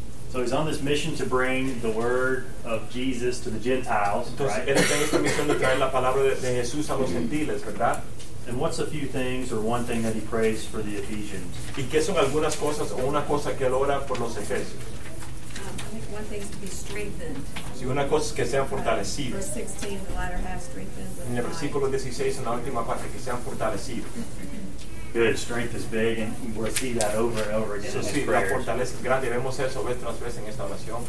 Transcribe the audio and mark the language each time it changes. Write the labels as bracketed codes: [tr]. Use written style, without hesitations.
[en] So he's on this mission to bring the word of Jesus to the Gentiles, right? And what's a few things or one thing that he prays for the Ephesians? [es] ¿Y qué son algunas cosas o una cosa que él ora por los Efesios? [en] Let me go want things to be strengthened. [es] Si una cosa es que sean fortalecidos. [en] Verse 16, the latter half strengthened. [es] En el versículo 16, en la última parte, que sean fortalecidos. [en] Good, strength is big, and we'll see that over and over again. So, [es] si, la fortaleza es grande, vemos eso vez tras vez en esta oración.